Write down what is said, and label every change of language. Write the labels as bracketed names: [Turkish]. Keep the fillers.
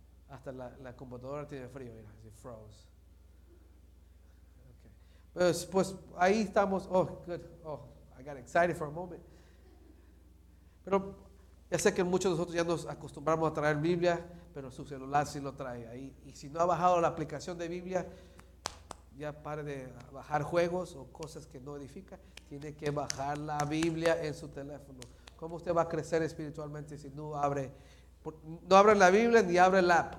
[Spanish] Hasta la, la computadora tiene frío, mira, se froze. Okay. Pues, pues ahí estamos. [English] Oh, good. Oh, I got excited for a moment. [Spanish] Pero ya sé que muchos de nosotros ya nos acostumbramos a traer Biblia, pero su celular sí lo trae ahí. Y si no ha bajado la aplicación de Biblia, ya pare de bajar juegos o cosas que no edifica. Tiene que bajar la Biblia en su teléfono. ¿Cómo usted va a crecer espiritualmente si no abre, no abre la Biblia ni abre el app?